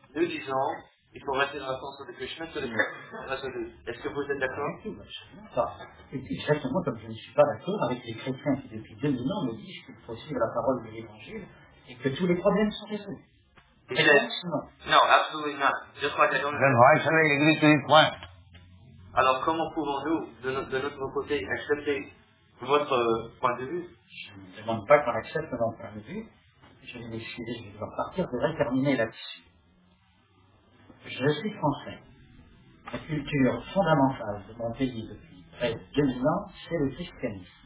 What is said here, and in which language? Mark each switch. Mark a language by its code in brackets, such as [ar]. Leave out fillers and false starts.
[fr] Nous disons, il faut rester dans la conscience de Krishna, c'est le meilleur. Est-ce que vous êtes d'accord? Oui, exactement comme je ne suis pas d'accord avec les chrétiens qui, depuis 2000 ans, me disent qu'il faut suivre la parole de l'Évangile et que tous les problèmes sont résolus. [en] No, absolutely not. Just like I don't then why shall I agree to his point? [fr] Alors, comment pouvons-nous, de notre côté, accepter votre point de vue? Je ne demande pas qu'on accepte mon point de vue. Je vais décider, je vais devoir partir, je vais terminer là-dessus. Je suis français. La culture fondamentale de mon pays depuis près de 2000 ans, c'est le christianisme.